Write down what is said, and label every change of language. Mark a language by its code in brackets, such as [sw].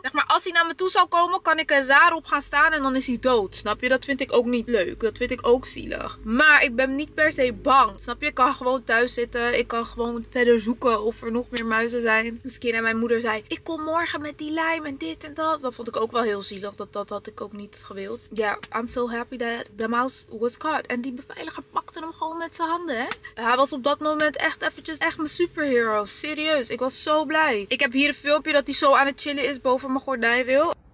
[nl] Zeg maar, als hij naar me toe zou komen, kan ik er raar op gaan staan en dan is hij dood. Snap je? Dat vind ik ook niet leuk. Dat vind ik ook zielig. Maar ik ben niet per se bang. Snap je? Ik kan gewoon thuis zitten. Ik kan gewoon verder zoeken of er nog meer muizen zijn. En mijn moeder zei, ik kom morgen met die lijm en dit en dat. Dat vond ik ook wel heel zielig. Dat had ik ook niet gewild. [en] Ja, yeah, I'm so happy that the mouse was caught. [nl] En die beveiliger pakte hem gewoon met zijn handen, hè. Hij was op dat moment echt eventjes echt mijn superhero. Serieus, ik was zo blij. Ik heb hier een filmpje dat hij zo aan het chillen is boven mijn gordijnrail.